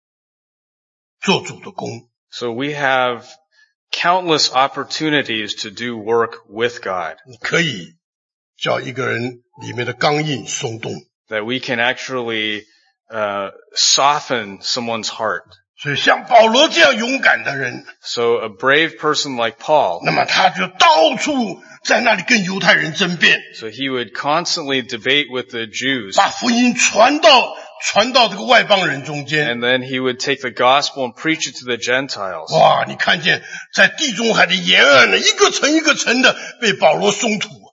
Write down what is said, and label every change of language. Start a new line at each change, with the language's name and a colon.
Chinese: 我们知道我们能得到任何的机会做主的工。
English: So we have countless opportunities to do work with God.
Chinese: 可以。叫一个人里面的刚硬松动,
English: that we can actually soften someone's heart.
Chinese: 所以像保罗这样勇敢的人,
English: so a brave person like Paul,
Chinese: 那么他就到处在那里跟犹太人争辩,
English: so he would constantly debate with the Jews,
Chinese: 把福音传到这个外邦人中间,
English: and then he would take the gospel and preach it to the Gentiles.
Chinese: 哇,你看见在地中海的沿岸呢, 一个城一个城的被保罗松土。